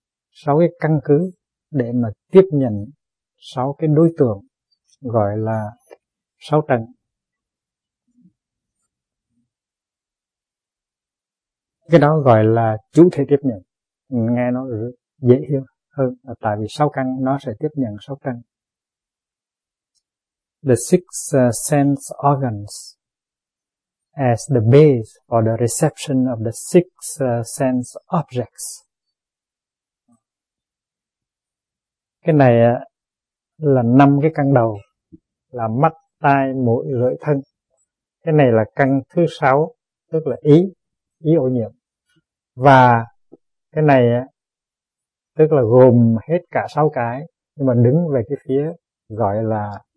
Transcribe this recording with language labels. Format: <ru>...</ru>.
<vi>Sáu cái căn cứ để mà tiếp nhận sáu cái đối tượng gọi là sáu trần. Cái đó gọi là chủ thể tiếp nhận. Nghe nó dễ hiểu hơn, tại vì sáu căn nó sẽ tiếp nhận sáu căn.</vi> <en>The six sense organs as the base for the reception of the six sense objects.</en> <vi>Cái này là năm cái căn đầu, là mắt, tai, mũi, lưỡi, thân. Cái này là căn thứ sáu, tức là ý ô nhiễm. Và cái này tức là gồm hết cả sáu cái, nhưng mà đứng về cái phía gọi là</vi>